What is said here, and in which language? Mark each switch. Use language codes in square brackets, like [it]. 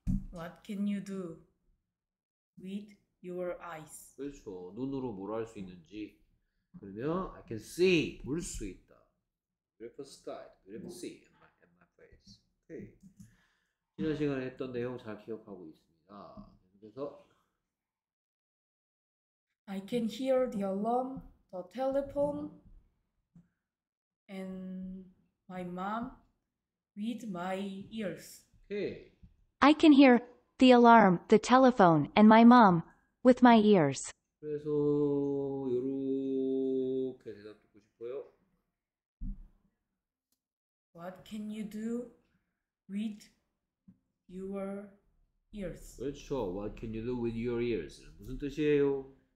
[en] What can you do with your eyes? [ko] 주세요. 그렇죠. 눈으로 뭘할수 있는지. 그러면 [en] I can see, [ko] 볼수 있다. [en] Beautiful sky, beautiful sea, and my face. 오케이. [ko] 지난 시간에 했던 내용 잘 기억하고 있습니다. 계속해서. [en] I can hear the alarm, the telephone, and my mom with my ears. Okay. I can hear the alarm, the telephone, and my mom with my ears. [ko] 그래서 이렇게 대답 듣고 싶어요. [en] What can you do with your ears? [ko] 그렇죠. [en] What can you do with your ears? [ko] 무슨 뜻이에요?